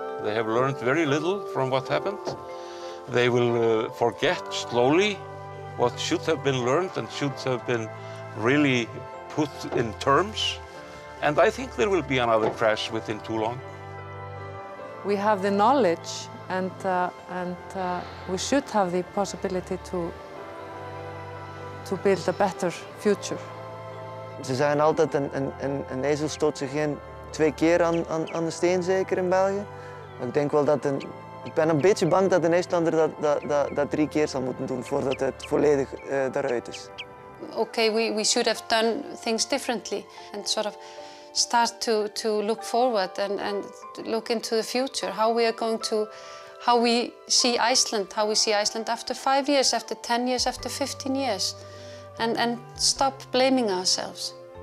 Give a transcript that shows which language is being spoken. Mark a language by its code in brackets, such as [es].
[en] They have learned very little from what happened. They will forget slowly what should have been learned and should have been really put in terms. And I think there will be another crash within too long. We have the knowledge and we should have the possibility to build a better future. [nl] Ze zeggen altijd, een ezel stoot zich geen twee keer aan de steen, zeker in België. Maar ik denk wel dat ik ben een beetje bang dat een IJslander dat drie keer zal moeten doen voordat het volledig eruit is. [en] Okay, we should have done things differently and sort of start to look forward and look into the future. How we are going to, how we see Iceland, how we see Iceland after 5 years, after 10 years, after 15 years. And stop blaming ourselves.